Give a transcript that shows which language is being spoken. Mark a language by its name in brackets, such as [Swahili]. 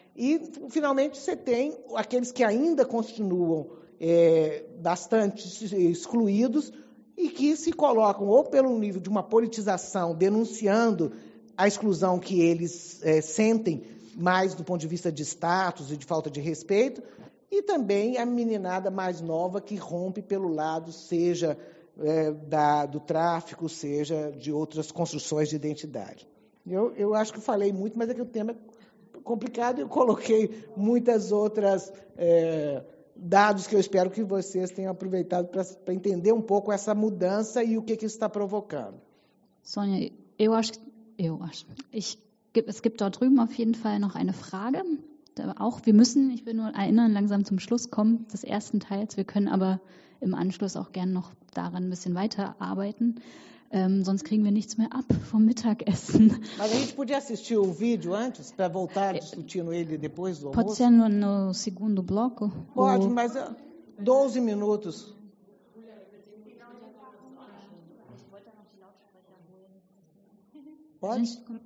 [Portuguese] E, finalmente, você tem aqueles que ainda continuam bastante excluídos, e que se colocam ou pelo nível de uma politização denunciando a exclusão que eles sentem mais do ponto de vista de status e de falta de respeito, e também a meninada mais nova que rompe pelo lado, seja do tráfico, seja de outras construções de identidade. Eu acho que falei muito, mas é que o tema é complicado, eu coloquei muitas outras... dados que eu espero que vocês tenham aproveitado para entender um pouco essa mudança e o que isso está provocando. [German] Sonja, es gibt dort drüben auf jeden Fall noch eine Frage. Da auch, wir müssen, ich will nur erinnern, langsam zum Schluss kommen des ersten Teils. Wir können aber im Anschluss auch gerne noch daran ein bisschen weiterarbeiten. Sonst kriegen wir nichts mehr ab vom Mittagessen. [Portuguese] Mas a gente podia assistir o vídeo antes, para voltar discutindo ele depois do almoço? Pode ser no segundo bloco? Pode, mas 12 minutos. Pode?